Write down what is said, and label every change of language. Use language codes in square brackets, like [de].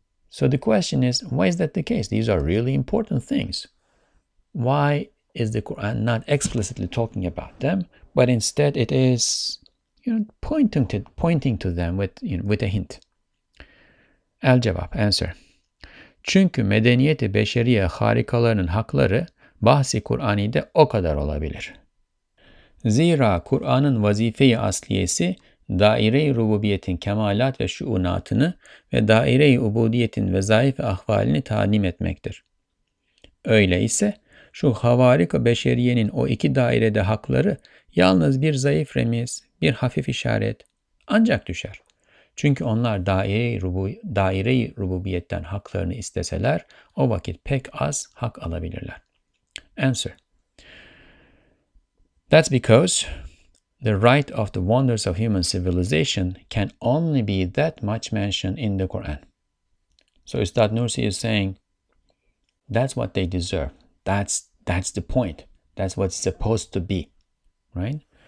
[en] So the question is, why is that the case? These are really important things. Why is the Quran not explicitly talking about them, but instead it is pointing to them with a hint? El-Cevap, answer. [tr] Çünkü medeniyeti beşeriye harikalarının hakları bahsi Kur'ani'de o kadar olabilir. Zira Kur'an'ın vazife-i asliyesi daire-i rububiyetin kemalat ve şuunatını ve daire-i ubudiyetin vezaif-i ahvalini tanim etmektir. Öyle ise şu havarika beşeriyenin o iki dairede hakları yalnız bir zayıf remiz, bir hafif işaret ancak düşer. Çünkü onlar daire-i rububiyetten haklarını isteseler, o vakit pek az hak alabilirler. [en] Answer. That's because the right of the wonders of human civilization can only be that much mentioned in the Quran. So Üstad Nursi is saying, that's what they deserve. That's the point. That's what's supposed to be. Right?